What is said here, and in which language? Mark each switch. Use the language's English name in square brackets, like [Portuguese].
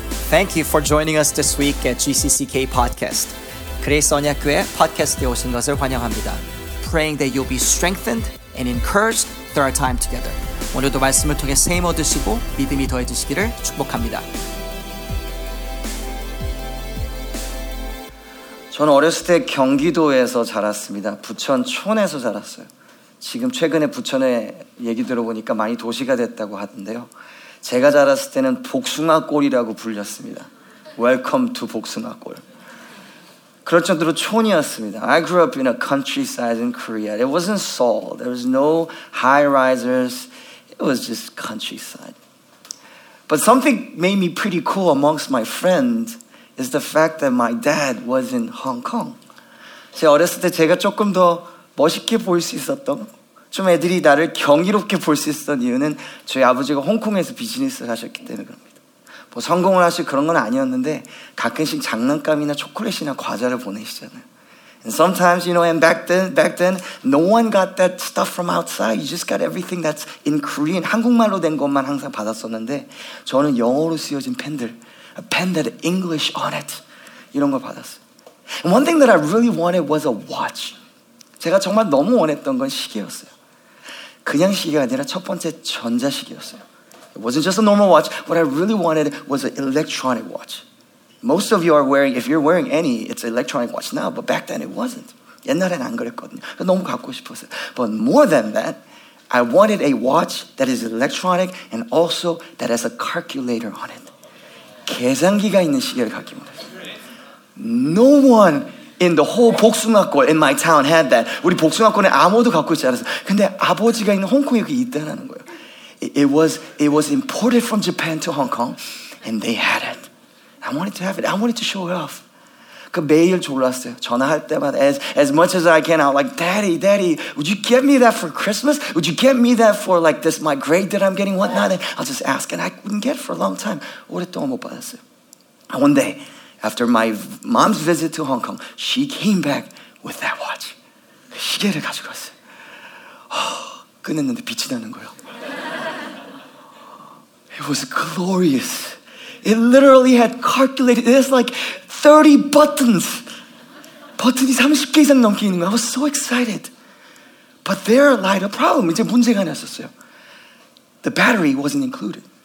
[English] Thank you for joining us this week at GCCK Podcast. [Korean] 그레이스 언약교회 팟캐스트에 오신 것을 환영합니다. [English] Praying that you'll be strengthened and encouraged through our time together. [Korean] 오늘도 말씀을 통해 세임 얻으시고 믿음이 더해지시기를 축복합니다. 저는 어렸을 때 경기도에서 자랐습니다. 부천 촌에서 자랐어요. 지금 최근에 부천의 얘기 들어보니까 많이 도시가 됐다고 하던데요. 제가 자랐을 때는 복숭아골이라고 불렸습니다. [English] Welcome to 복숭아골. [Korean] 그럴 정도로 촌이었습니다. [English] I grew up in a countryside in Korea. It wasn't Seoul. There was no high-risers. It was just countryside. But something made me pretty cool amongst my friend is the fact that my dad was in Hong Kong. [Korean] 제 어렸을 때 제가 조금 더 멋있게 보일 수 있었던 좀 애들이 나를 경이롭게 볼 수 있었던 이유는 저희 아버지가 홍콩에서 비즈니스를 하셨기 때문에 그럽니다. 뭐 성공을 하실 그런 건 아니었는데 가끔씩 장난감이나 초콜릿이나 과자를 보내시잖아요. [English] And sometimes, you know, and back then, no one got that stuff from outside. You just got everything that's in Korean. [Korean] 한국말로 된 것만 항상 받았었는데 저는 영어로 쓰여진 펜들, [English] a pen that English on it, [Korean] 이런 걸 받았어요. [English] And one thing that I really wanted was a watch. [Korean] 제가 정말 너무 원했던 건 시계였어요. 그냥 시계가 아니라 첫 번째 전자시계였어요. [English] It wasn't just a normal watch. What I really wanted was an electronic watch. Most of you are wearing, if you're wearing any, it's an electronic watch now, but back then it wasn't. [Korean] 옛날엔 안 그랬거든요. 너무 갖고 싶었어요. [English] But more than that, I wanted a watch that is electronic and also that has a calculator on it. [Korean] 계산기가 있는 시계를 갖기 원했어요. [English] No one in the whole 복숭아골 in my town had that. [Korean] 우리 복숭아골에 아무도 갖고 있지 않았어. 근데 아버지가 있는 홍콩에 그게 있다는 거예요. [English] It was imported from Japan to Hong Kong and they had it. I wanted to have it. I wanted to show it off. [Korean] 그 매일 졸랐어요. 전화할 때마다 [English] as much as I can, I'm like, Daddy, would you get me that for Christmas? Would you get me that for like this, my grade that I'm getting, whatnot? And I'll just ask. And I couldn't get it for a long time. [Korean] 오랫동안 못 받았어요. [English] And one day, after my mom's visit to Hong Kong, she came back with that watch. [Korean] 시계를 가지고 왔어요. 끝냈는데 빛이 나는 거예요. [English] It was glorious. It literally had calculated. It has like 30 buttons. [Korean] 버튼이 30개 이상 넘게 있는 거예요. [English] I was so excited. But there lied a problem. [Korean] 이제 문제가 났었어요. [English] The battery wasn't included.